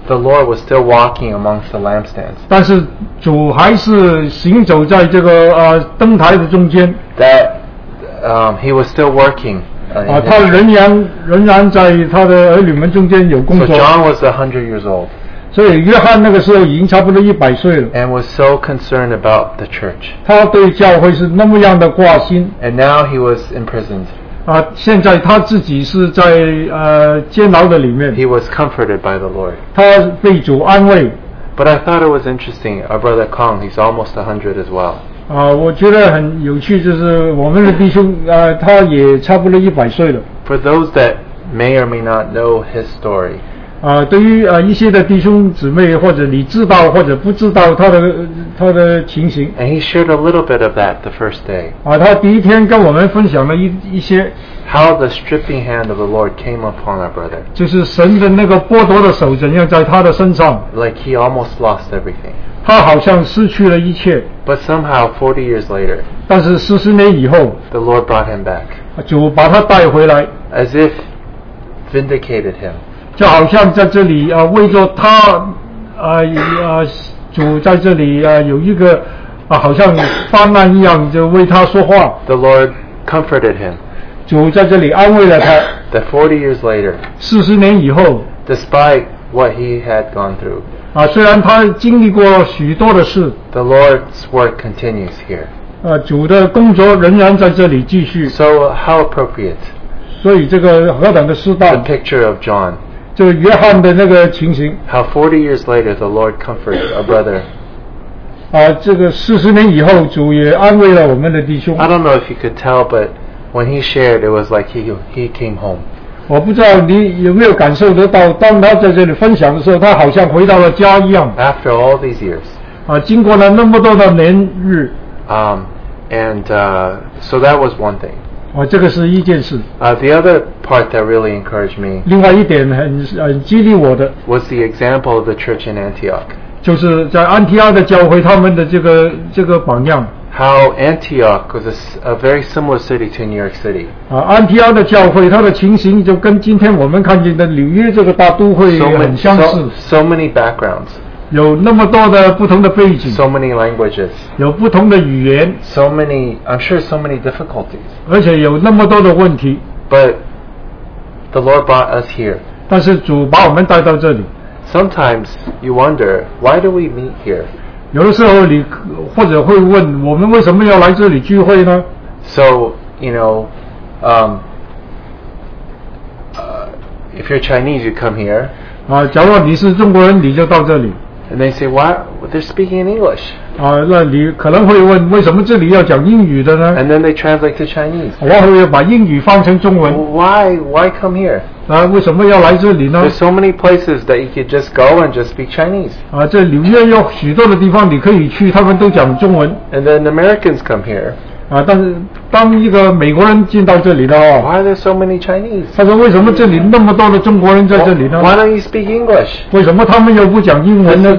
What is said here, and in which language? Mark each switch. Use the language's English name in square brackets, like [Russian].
[English] the Lord was still walking amongst the lampstands, [Chinese] 但是主还是行走在这个, 灯台的中间， [English] that he was still working, [Chinese] 他仍然在他的儿女们中间有工作。 [English] So John was 100 years old, [Chinese] 所以约翰那个时候已经差不多100岁了， [English] and was so concerned about the church, [Chinese] 他对教会是那么样的挂心， [English] and now he was imprisoned, [Chinese] 啊, 现在他自己是在, 监牢的里面， [English] he was comforted by the Lord, [Chinese] 他被主安慰。 [English] But I thought it was interesting, our brother Kong, he's almost 100 as well, [Chinese] 啊, 我觉得很有趣就是我们的弟兄, 啊, 他也差不多100岁了。 [English] For those that may or may not know his story, [Chinese] 啊, 对于, 啊, 一些的弟兄姊妹, 或者你知道, 或者不知道, 他的, 他的情形, [English] and he shared a little bit of that the first day, [Chinese] 啊, 他第一天跟我们分享了一, 一些, [English] how the stripping hand of the Lord came upon our brother, [Chinese] 就是神的那个剥夺的手怎样在他的身上, [English] like he almost lost everything, [Chinese] 他好像失去了一切, [English] but somehow 40 years later, [Chinese] 但是40年以后, [English] the Lord brought him back, [Chinese] 主把他带回来, [English] as if vindicated him, [Chinese] 就好像在这里, 啊, 为着他, 啊, 啊, 主在这里, 啊, 有一个, 啊, 好像翻案一样, 就为他说话, [English] the Lord comforted him, [Chinese] 主在这里安慰了他, [English] that 40 years later, [Chinese] 40年以后, [English] despite what he had gone through, [Chinese] 啊, 虽然他经历过许多的事, [English] the Lord's work continues here, [Chinese] 啊, 主的工作仍然在这里继续, [English] so how appropriate, [Chinese] 所以这个何等的适当, [English] the picture of John, [Chinese] 就约翰的那个情形, [English] how 40 years later the Lord comforted our brother, [Chinese] 啊, 这个40年以后, 主也安慰了我们的弟兄。 [English] I don't know if you could tell, but when he shared, it was like he came home. [Chinese] 我不知道你有没有感受得到, 当他在这里分享的时候, 他好像回到了家一样。 [English] After all these years, [Chinese] 啊, 经过了那么多的年日, [English] so that was one thing. [Chinese] 啊, 这个是一件事。 [English] The other part that really encouraged me, [Chinese] 另外一点很, 激励我的, [English] was the example of the church in Antioch. [Chinese] 就是在安提阿的教会, 他们的这个, 这个榜样。 [English] How Antioch was a very similar city to New York City. [Chinese] 啊, 安提阿的教会, 它的情形就跟今天我们看见的纽约这个大都会很相似。 [English] So many backgrounds. [Chinese] 有那么多的不同的背景, [English] so many languages, [Chinese] 有不同的语言, [English] so many, I'm sure so many difficulties, [Chinese] 而且有那么多的问题, [English] but the Lord brought us here. [Chinese] 但是主把我们带到这里。 [English] Sometimes you wonder, why do we meet here? [Chinese] 有的时候你或者会问, 我们为什么要来这里聚会呢? [English] So, you know, if you're Chinese, you come here. [Chinese] 啊, 假如你是中国人, 你就到这里。 [English] And they say, why? Well, they're speaking in English. [Chinese] 啊, 那你可能会问, 为什么这里要讲英语的呢? [English] And then they translate to Chinese. [Chinese] 然后又把英语放成中文。 [English] Why come here? [Chinese] 啊, 为什么要来这里呢? [English] There's so many places that you could just go and just speak Chinese. [Chinese] 啊, 这纽约有许多的地方你可以去, 他们都讲中文。 [English] And then Americans come here. [Chinese] 啊, 但是当一个美国人进到这里的话, [English] why are there so many Chinese? [Chinese] 他说为什么这里那么多的中国人在这里呢? [English] Why don't you speak English? [Chinese] 为什么他们又不讲英文呢?